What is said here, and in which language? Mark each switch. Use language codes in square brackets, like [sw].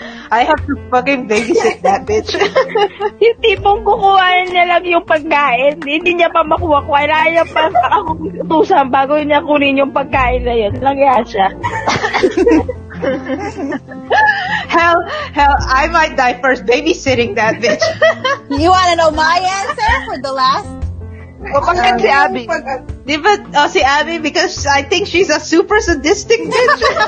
[en] I have to fucking babysit that bitch. [tl] Yung tipong kukuhaan niya lang yung pagkain, hindi niya pa makuha. Wala niya pa ako utusan bago niya kunin yung pagkain na yun. Langyan siya. [en] Hell, I might die first babysitting that bitch. You wanna know my answer for the last? [tl] Pagkat si Abby. [en] Si Abby, because I think she's a super sadistic bitch.